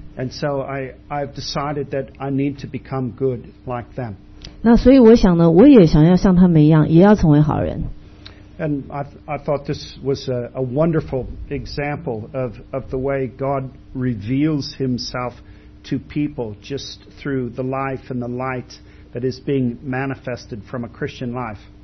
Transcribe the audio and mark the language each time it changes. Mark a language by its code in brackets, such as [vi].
[en] And so I've decided that I need to become good like them. [zh] 那所以我想呢，我也想要像他们一样，也要成为好人。 [en] And I thought this was a wonderful example of the way God reveals himself to people just through the life and the light that is being manifested from a Christian life.